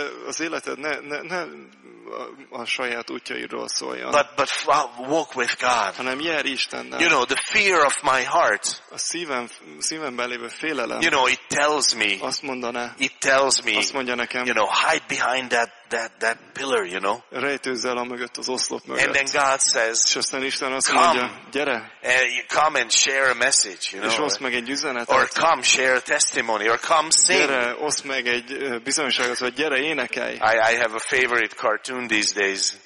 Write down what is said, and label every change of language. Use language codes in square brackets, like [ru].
[hu] Az életed ne a saját útjairól szóljon. [en] But walk with God. [hu] Hanem jár Istennel. [en] You know, the fear of my heart. [hu] A szívemben lévő félelem. [en] You know, it tells me. [hu] Azt mondaná. [en] It tells me. [hu] Azt mondja nekem. [en] You know, hide behind that pillar, you know. [hu] Rejtőzz el a mögött, az oszlop mögött. [en] And then God says. [hu] És aztán Isten azt mondja, gyere. [en] Come and share a message, you know. [hu] És oszd meg egy üzenetet. [en] Or come share a testimony, or come sing. [hu] Gyere, oszd meg egy bizonyságot, vagy gyere énekelj. [en] I have a favorite cartoon these days.